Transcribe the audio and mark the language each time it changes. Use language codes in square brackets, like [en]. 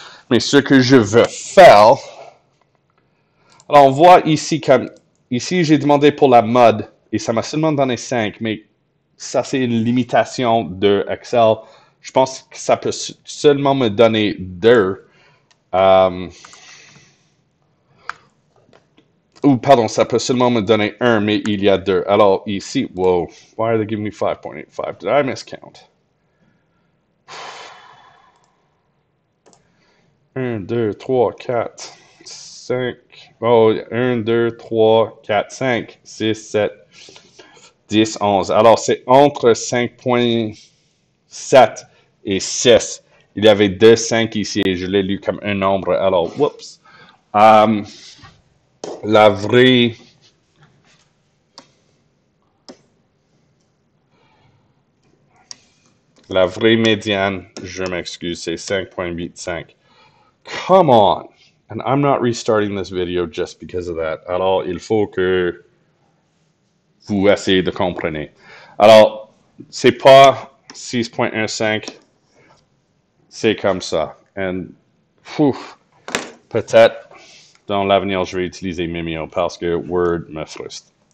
[fr] Mais ce que je veux faire, alors on voit ici, comme ici, j'ai demandé pour la mode et ça m'a seulement donné 5, mais ça, c'est une limitation de Excel. Je pense que ça peut seulement me donner 2. Ou pardon, ça peut seulement me donner un, mais il y a deux. Alors ici, [en] wow, why are they giving me 5.85? Did I miscount? 1, 2, 3, 4, 5. Oh, 1, 2, 3, 4, 5, 6, 7, 10, 11. [fr] Alors c'est entre 5.7 et 6. Il y avait 2, 5 ici et je l'ai lu comme un nombre. Alors, whoops. La vraie... La vraie médiane, je m'excuse, c'est 5,85. [en] Come on. And I'm not restarting this video just because of that. [fr] Alors, il faut que vous essayez de comprendre. Alors, c'est pas 6,15. C'est comme ça. [en] And, [fr] peut-être dans l'avenir, je vais utiliser Mimio parce que Word me frustre.